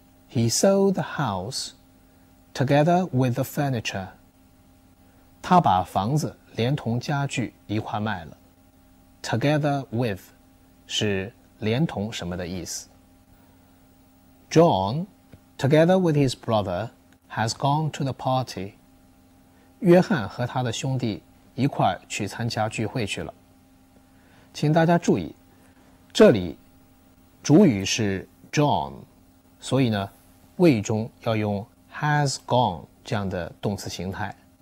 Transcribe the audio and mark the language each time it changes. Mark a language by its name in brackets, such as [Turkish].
[English] He sold the house together with the furniture. [Chinese] 他把房子连同家具一块卖了。 [English] Together with [Chinese] 是连同什么的意思。 [English] John, together with his brother, has gone to the party. [Chinese] 约翰和他的兄弟一块去参加聚会去了。请大家注意，这里主语是 John, 所以呢谓语中要用 [English] has gone [Chinese] 这样的动词形态。